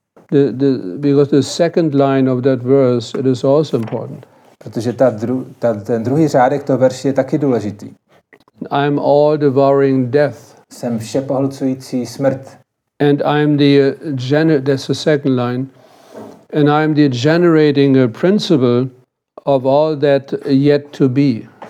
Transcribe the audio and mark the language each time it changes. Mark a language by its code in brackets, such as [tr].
[en] Because the second line of that verse, it is also important. [cs] Protože ten druhý řádek toho verše je taky důležitý. [en] I am all devouring death. [cs] Jsem všepohlcující smrt. [en] And I am that's the second line. And I am the generating principle of all that yet to be.